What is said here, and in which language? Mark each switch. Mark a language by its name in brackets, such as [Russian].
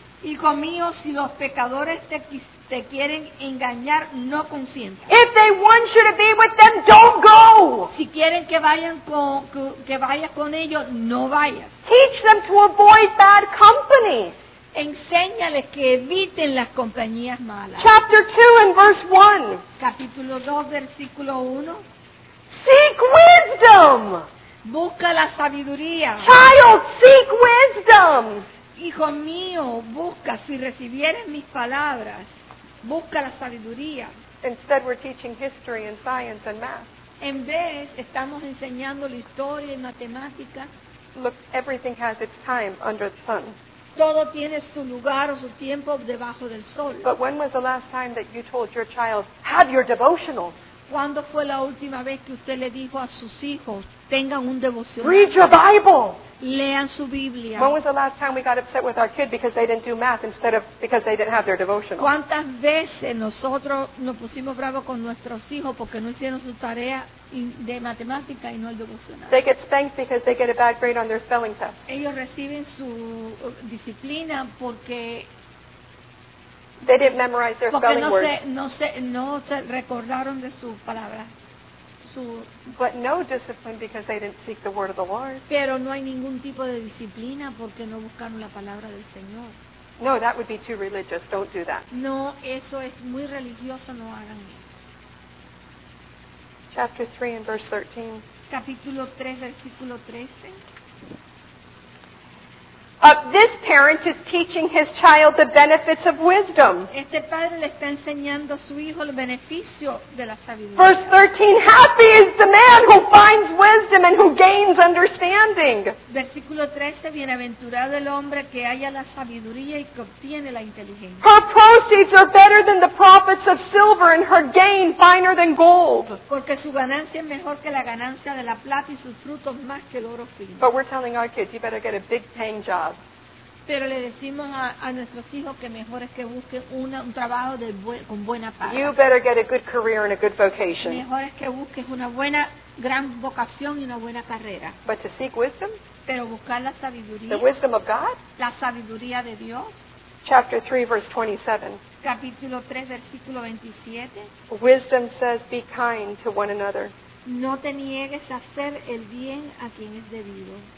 [Spanish] Hijo mío, si los pecadores te quieren engañar, no consientas. [English] If they want you to be with them, don't go. [Spanish] Si quieren que vayan con que vayas con ellos, no vayas. [English] Teach them to avoid bad company. [Spanish] Enséñales que eviten las compañías malas. [English] Chapter 2 and verse 1. [Spanish] Capítulo 2, versículo 1. [English] Seek wisdom. [Spanish] Busca la sabiduría. [English] Child, seek wisdom. [Spanish] Hijo mío, busca, si recibieres mis palabras, busca la sabiduría. [English] Instead we're teaching history and science and math. [Spanish] En vez, estamos enseñando la historia y matemática. [English] Look, everything has its time under the sun. [Spanish] Todo tiene su lugar o su tiempo debajo del sol. [English] But when was the last time that you told your child, have your devotional? [Spanish] ¿Cuándo fue la última vez que usted le dijo a sus hijos, tengan un devocional? [English] Read your Bible. [Spanish] Lean su Biblia. [English] When was the last time we got upset with our kid because they didn't do math instead of because they didn't have their devotional? [Spanish] ¿Cuántas veces nosotros nos pusimos bravos con nuestros hijos porque no hicieron su tarea de matemática y no el devocional? [English] They get spanked because they get a bad grade on their spelling test. [Spanish] Ellos reciben su disciplina porque [English] they didn't memorize their [Spanish] porque [English] spelling words. [Spanish] No se recordaron de su palabra. [English] But no discipline because they didn't seek the word of the Lord. [Spanish] Pero no hay ningún tipo de disciplina porque no buscaron la palabra del Señor. [English] No, that would be too religious. Don't do that. [Spanish] No, eso es muy religioso. No hagan eso. [English] Chapter 3 and verse 13. [Spanish] Capítulo 3, versículo 13. [English] This parent is teaching his child the benefits of wisdom. [Spanish] Este padre le está enseñando a su hijo el beneficio de la sabiduría. [English] Verse 13, happy is the man who finds wisdom and who gains understanding. [Spanish] Versículo 13, bienaventurado el hombre que haya la sabiduría y que obtiene la inteligencia. [English] Her proceeds are better than the profits of silver and her gain finer than gold. [Spanish] Porque su ganancia es mejor que la ganancia de la plata y sus frutos más que el oro fino. [English] But we're telling our kids, you better get a big paying job. [Spanish] Pero le decimos a nuestros hijos que mejor es que busquen un trabajo de con buena paga. [English] You better get a good career and a good vocation. [Spanish] Mejor es que busques una buena gran vocación y una buena carrera. [English] But to seek wisdom? [Spanish] Pero buscar la sabiduría. [English] The wisdom of God? [Spanish] La sabiduría de Dios. [English] Chapter 3, verse 27. [Spanish] Capítulo 3, versículo 27. [English] Wisdom says, be kind to one another. [Spanish] No te niegues a hacer el bien a quien es debido.